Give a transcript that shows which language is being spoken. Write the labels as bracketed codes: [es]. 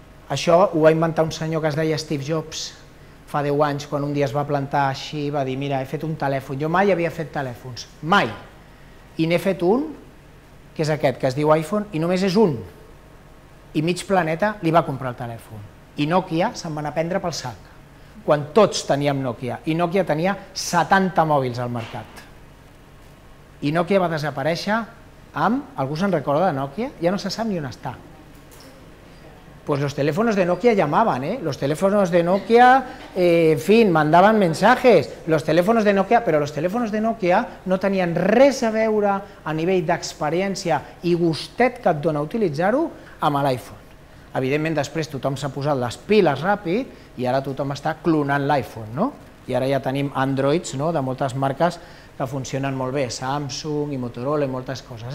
[ca] Això ho va inventar un senyor que es deia Steve Jobs, fa 10 anys, quan un dia es va plantar així, va dir, mira, he fet un telèfon, jo mai havia fet telèfons, mai, i n'he fet un, que és aquest, que es diu iPhone, i només és un, i mig planeta li va comprar el telèfon, i Nokia se'n van a prendre pel sac, quan tots teníem Nokia, i Nokia tenia 70 mòbils al mercat, i Nokia va desaparèixer amb, algú se'n recorda de Nokia? Ja no se sap ni on està. [es] Pues los teléfonos de Nokia llamaban, ¿eh? Los teléfonos de Nokia, en fin, mandaban mensajes. Los teléfonos de Nokia, pero los teléfonos de Nokia no tenían [ca] res a veure a nivell d'experiència i gustet que et dona utilitzar-ho amb l'iPhone. Evidentment, després tothom s'ha posat les piles ràpid i ara tothom està clonant l'iPhone, no? I ara ja tenim Androids, no?, de moltes marques que funcionen molt bé, Samsung i Motorola i moltes coses.